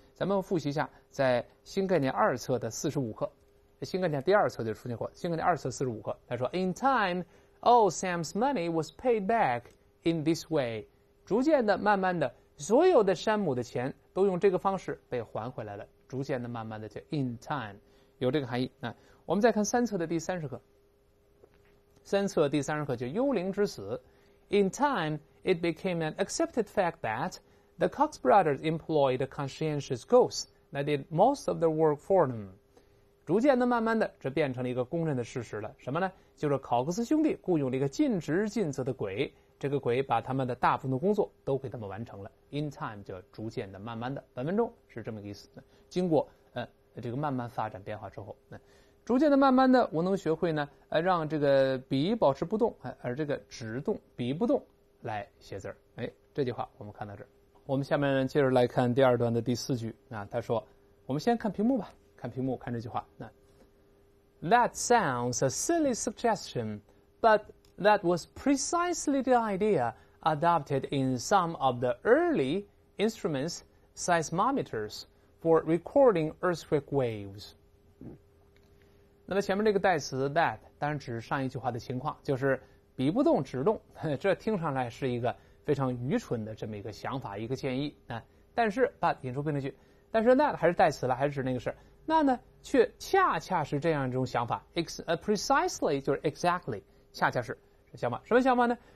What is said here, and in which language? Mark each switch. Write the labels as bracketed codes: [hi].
[zh] 咱们复习一下在新概念二册的45课，新概念第二册就出现过，新概念二册45课他说 [en] in time all Sam's money was paid back in this way， [zh] 逐渐的、慢慢的，所有的山姆的钱都用这个方式被还回来了，逐渐的、慢慢的叫 in time， 有这个含义啊。我们再看三册的第30课，三册第三十课叫幽灵之死。 [en] In time, it became an accepted fact that the Cox brothers employed a conscientious ghost that did most of their work for them. [zh] 逐渐的、慢慢的，这变成了一个公认的事实了。什么呢？就是考克斯兄弟雇佣了一个尽职尽责的鬼，这个鬼把他们的大部分的工作都给他们完成了。 In time 就逐渐的、慢慢的，本文中是这么个意思。经过这个慢慢发展变化之后，逐渐的、慢慢的，我能学会呢，让这个笔保持不动，而这个纸动、笔不动来写字儿。这句话我们看到这儿。我们下面接着来看第二段的第四句啊。他说，我们先看屏幕吧，看屏幕，看这句话。 [en] 那 That sounds a silly suggestion, but that was precisely the idea adopted in some of the early instruments, seismometers, for recording earthquake waves. [zh] 那么前面这个代词 that 当然只是上一句话的情况，就是比不动只动，这听上来是一个非常愚蠢的这么一个想法，一个建议啊。但是 but 引出评论句，但是 that 还是代词了，还是指那个事，那呢却恰恰是这样一种想法 precisely 就是 exactly， 恰恰是想法。什么想法呢？